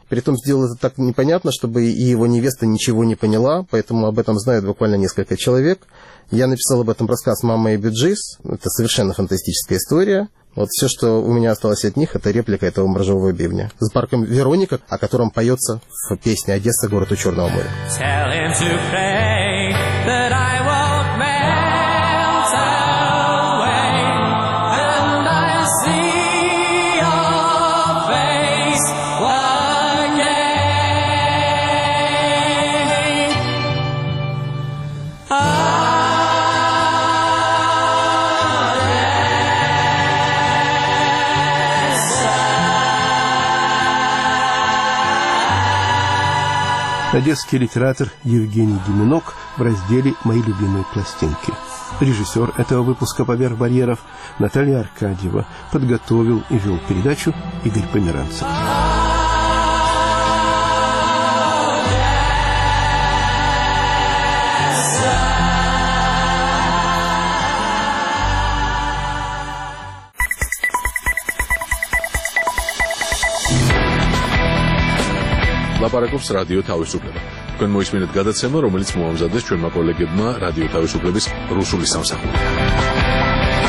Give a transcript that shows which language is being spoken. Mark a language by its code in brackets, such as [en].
[ru] Притом сделал это так непонятно, чтобы и его невеста ничего не поняла, поэтому об этом знают буквально несколько человек. Я написал об этом рассказ «Мама и Биджис». Это совершенно фантастическая история. Вот все, что у меня осталось от них, это реплика этого моржового бивня с парком Вероника, о котором поется в песне «Одесса, город у Черного моря». [en] Tell him to pray that I won't melt away, and I'll see your face again. [ru] Одесский литератор Евгений Деминок в разделе «Мои любимые пластинки». Режиссер этого выпуска «Поверх барьеров» Наталья Аркадьева, подготовил и вел передачу Игорь Померанцев. Лапараковс радио თავისუფლება. [ka] Თქვენ მოისმინეთ გადაცემა, რომელიც მოამზადეს ჩვენმა კოლეგებმა რადიო თავისუფლების რუსული სამსახური.